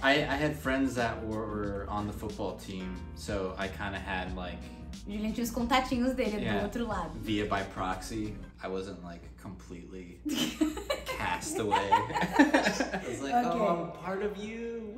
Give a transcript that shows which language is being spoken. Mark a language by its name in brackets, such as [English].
[English] I had friends that were on the football team, so I kind of had like... [Portuguese] Julia tinha os contatinhos dele do outro lado. [English] Via by proxy, I wasn't like completely cast away. I was like, okay. Oh, I'm part of you.